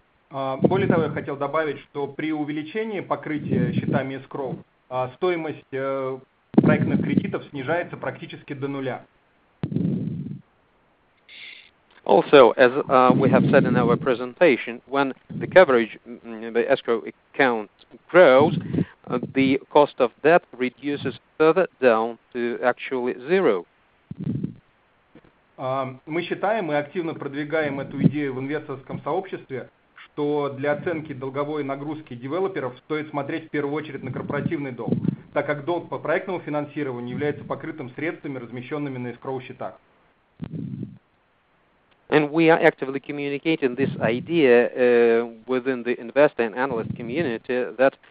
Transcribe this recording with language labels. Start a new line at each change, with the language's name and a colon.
Russian: Более того, я хотел добавить, что при увеличении покрытия счетами escrow стоимость проектных кредитов снижается практически до нуля.
English: Also, as we have said in our presentation, when the coverage, the escrow account grows, the cost of debt reduces further down to actually zero.
Russian: Мы считаем, мы активно продвигаем эту идею в инвесторском сообществе, что для оценки долговой нагрузки девелоперов стоит смотреть в первую очередь на корпоративный долг, так как долг по проектному финансированию является покрытым средствами, размещенными на escrow-счетах.
English: And we are actively communicating this idea within the investor and analyst community that